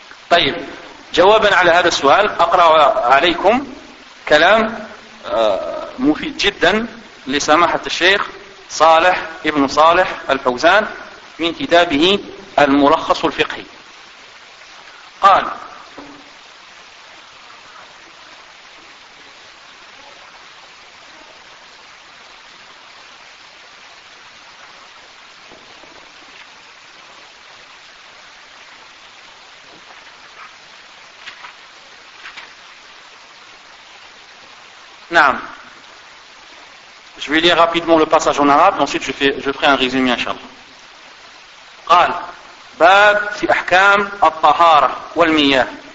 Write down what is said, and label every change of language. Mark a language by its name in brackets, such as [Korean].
[Arabic] طيب جوابا على هذا السؤال أقرأ عليكم كلام مفيد جدا لسماحة الشيخ صالح ابن صالح الفوزان من كتابه الملخص الفقهي. قال نعم [French] je vais lire rapidement le passage en arabe ensuite je ferai un résumé inchallah. [Arabic] قال باب في احكام الطهارة والمياه.